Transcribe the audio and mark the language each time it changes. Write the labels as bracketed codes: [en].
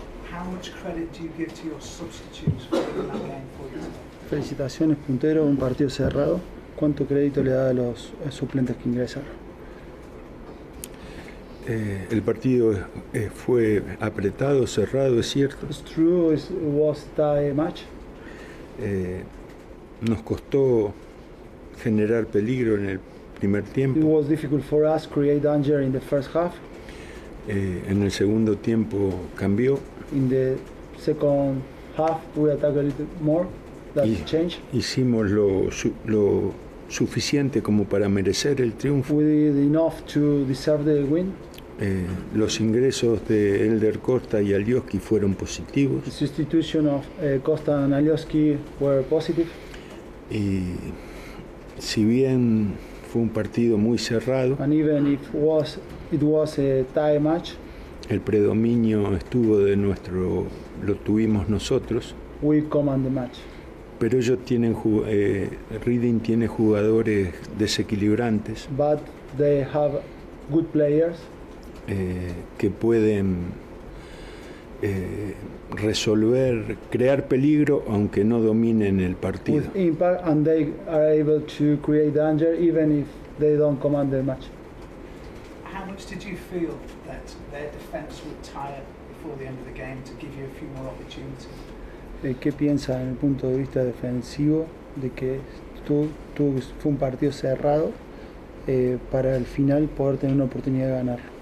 [en] How much credit do you give to your substitutes for winning that game for you? [es] Felicitaciones, puntero, un partido cerrado. ¿Cuánto crédito le da a los suplentes que ingresaron? El partido fue apretado, cerrado, es cierto. [en] It's true, it was tight match. [es] Nos costó generar peligro en el primer tiempo. [en] It was difficult for us create danger in the first half. [es] En el segundo tiempo cambió. [en] In the second half we attacked a little more. That change. [es] Hicimos lo suficiente como para merecer el triunfo. [en] We did enough to deserve the win. [es] Los ingresos de Elder Costa y Alioski fueron positivos. [en] The substitution of Costa and Alioski were positive. [es] Y si bien fue un partido muy cerrado, [en] and even if it was a tie match, [es] el predominio estuvo de nuestro, lo tuvimos nosotros. [en] We command the match. [es] Pero ellos tienen Reading tiene jugadores desequilibrantes. [en] But they have good players. [es] Que pueden resolver, crear peligro, aunque no dominen el partido. [en] With impact, and they are able to create danger even if they don't command the match. How much did you feel that their defense would tire before the end of the game to give you a few more opportunities? [es] ¿Qué piensa en el punto de vista defensivo de que tú fue un partido cerrado para el final poder tener una oportunidad de ganar?